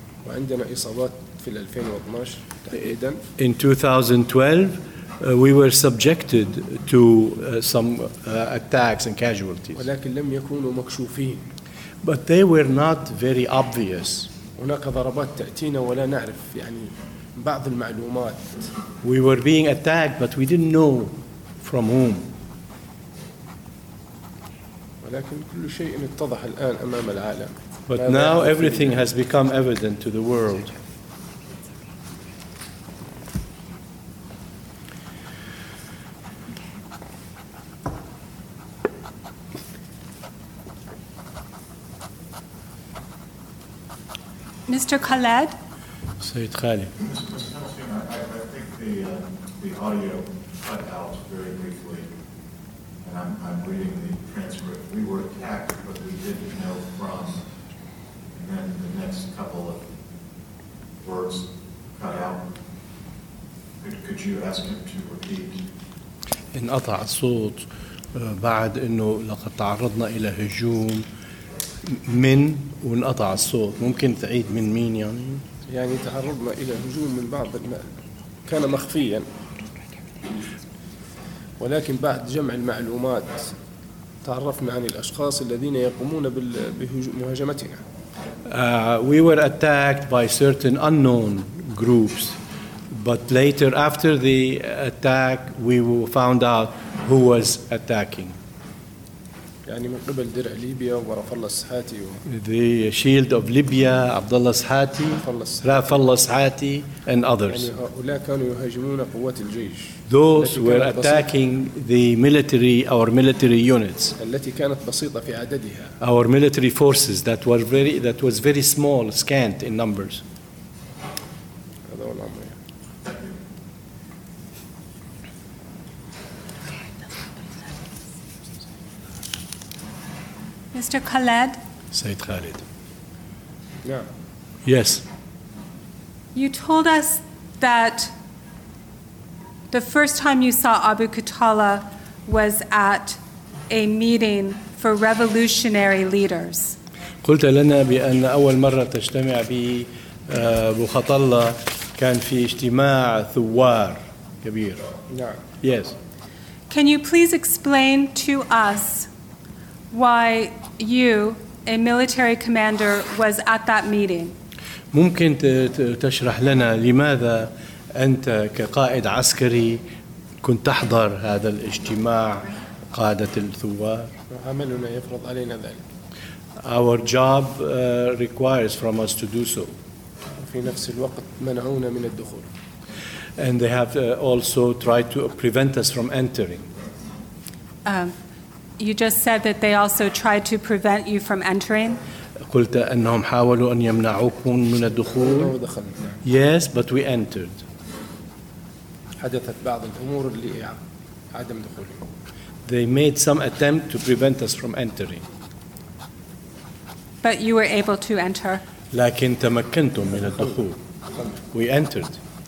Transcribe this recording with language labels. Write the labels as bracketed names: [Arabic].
[Arabic] وعندنا إصابات في 2012 تحديدا. [English] In 2012, we were subjected to some attacks and casualties. [Arabic] ولكن لم يكونوا مكشوفين. [English] But they were not very obvious. [Arabic] هناك ضربات تأتينا ولا نعرف يعني بعض المعلومات. [English] We were being attacked, but we didn't know from whom. [Arabic] ولكن كل شيء اتضح الآن أمام العالم. [English] But now everything has become evident to the world. Mr. Khaled? [Arabic] Sayyid Khaled. [English] Mr. Tashim, I think the audio cut out very briefly, and I'm reading the transcript. We were attacked, but we didn't know from. And then the next couple of words cut out. Could you ask him to repeat? [Arabic] In أطع صوت بعد إنه لقد تعرضنا إلى هجوم. من ونقطع الصوت ممكن تعيد من مين يعني تعرضنا إلى هجوم من بعض كان مخفيا ولكن بعد جمع المعلومات تعرفنا عن الأشخاص الذين يقومون بمهاجمتنا [English] We were attacked by certain unknown groups but later after the attack we found out who was attacking [Arabic] يعني من قبل درع ليبيا ورف الله السحاتي [English] The shield of Libya, Abdullah Sahati, Raf Allah Sahati, and others. [Arabic] يعني هؤلاء كانوا يهاجمون قوات الجيش. [English] Those were attacking the military, our military units. [Arabic] التي كانت بسيطة في عددها. [English] Our military forces that were very, that was very small, scant in numbers. Mr. Khaled? [Arabic] Sayyid Khaled. [English] Yeah. Yes. You told us that the first time you saw Abu Qatala was at a meeting for revolutionary leaders. [Arabic] قلت لنا بأن أول مرة تجتمع به أبو خطلة كان في اجتماع ثوار كبير. [English] Yeah. Yes. Can you please explain to us why you, a military commander, was at that meeting. [Arabic] ممكن تشرح لنا لماذا أنت كقائد عسكري كنت تحضر هذا الاجتماع قادة الثوار. عملنا يفرض علينا ذلك. [English] Our job requires from us to do so. [Arabic] في نفس الوقت منعونا من الدخول. [English] And they have also tried to prevent us from entering. You just said that they also tried to prevent you from entering. [Arabic] قلت أنهم حاولوا أن يمنعوكم من الدخول. [English] Yes, but we entered. [Arabic] حدثت بعض الأمور اللي عدم دخولي. [English] They made some attempt to prevent us from entering. But you were able to enter. [Arabic] لكن تمكنتم من الدخول. [English] We entered.